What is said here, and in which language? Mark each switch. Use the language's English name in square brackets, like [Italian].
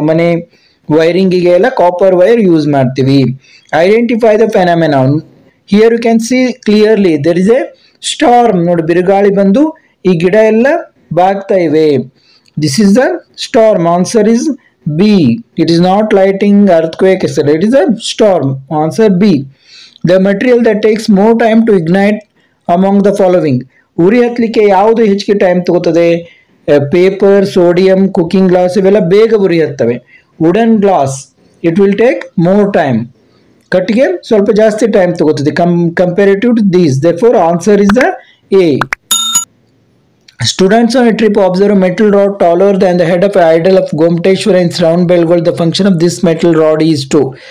[Kannada] ಮನೆ ವೈರಿಂಗಿಗೆ ಎಲ್ಲ copper wire use ಮಾಡ್ತೀವಿ. [English] Identify the phenomena. Here you can see clearly there is a storm. [Kannada] ನೋಡಿ, ಬಿರುಗಾಳಿ ಬಂದು ಈ ಗಿಡ ಎಲ್ಲ ಬಾಗ್ತಾ ಇವೆ. [English] This is the storm. Answer is B. It is not lightning, earthquake, etc. It is a storm. Answer B. The material that takes more time to ignite among the following. [Kannada] ಉರಿ ಹತ್ತಲಿಕ್ಕೆ ಯಾವುದು ಹೆಚ್ಚಿಗೆ time ತಗೋತದೆ? Paper, sodium, cooking glass ಇವೆಲ್ಲ ಬೇಗ ಉರಿ ಹತ್ತವೆ. [English] wooden glass it will take more time, [Kannada] ಕಟ್ಟಿಗೆ ಸ್ವಲ್ಪ ಜಾಸ್ತಿ time ತಗೋತದೆ [English] Comparative to these. There four answer is the A. Students on a trip observe metal rod taller than the head of idol of Gomateshwara in surround Belgol the function of this metal rod is to.